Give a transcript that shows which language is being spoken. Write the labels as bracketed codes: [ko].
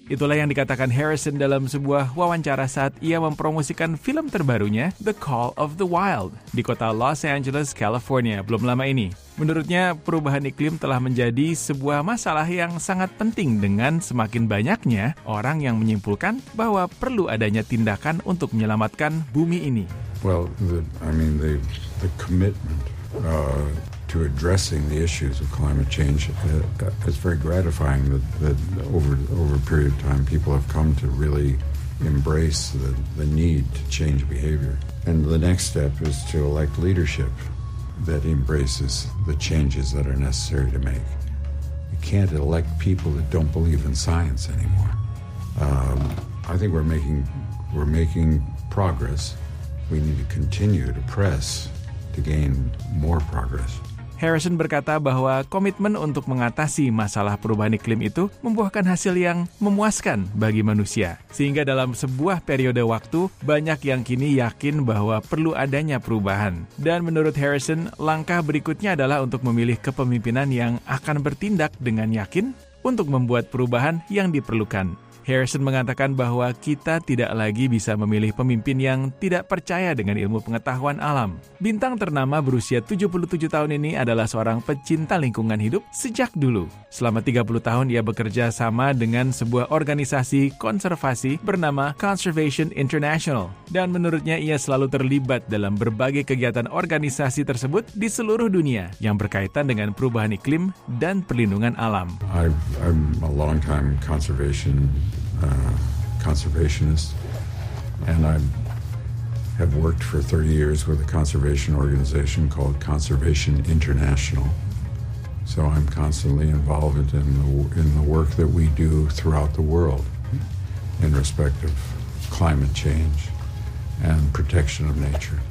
[id] Itulah yang dikatakan Harrison dalam sebuah wawancara saat ia mempromosikan film terbarunya, The Call of the Wild, di kota Los Angeles, California, belum lama ini. Menurutnya, perubahan iklim telah menjadi sebuah masalah yang sangat penting dengan semakin banyaknya orang yang menyimpulkan bahwa perlu adanya tindakan untuk menyelamatkan bumi ini. [en] Well, the commitment to addressing the issues of climate change. It's very gratifying that over a period of time, people have come to really embrace the need to change behavior. And the next step is to elect leadership that embraces the changes that are necessary to make. You can't elect people that don't believe in science anymore. I think we're making progress. We need to continue to press to gain more progress. [id] Harrison berkata bahwa komitmen untuk mengatasi masalah perubahan iklim itu membuahkan hasil yang memuaskan bagi manusia. Sehingga dalam sebuah periode waktu, banyak yang kini yakin bahwa perlu adanya perubahan. Dan menurut Harrison, langkah berikutnya adalah untuk memilih kepemimpinan yang akan bertindak dengan yakin untuk membuat perubahan yang diperlukan. Harrison mengatakan bahwa kita tidak lagi bisa memilih pemimpin yang tidak percaya dengan ilmu pengetahuan alam. Bintang ternama berusia 77 tahun ini adalah seorang pecinta lingkungan hidup sejak dulu. Selama 30 tahun ia bekerja sama dengan sebuah organisasi konservasi bernama Conservation International. Dan menurutnya ia selalu terlibat dalam berbagai kegiatan organisasi tersebut di seluruh dunia yang berkaitan dengan perubahan iklim dan perlindungan alam. [en] I'm a long time conservationist, and I have worked for 30 years with a conservation organization called Conservation International. So I'm constantly involved in the work that we do throughout the world in respect of climate change and protection of nature.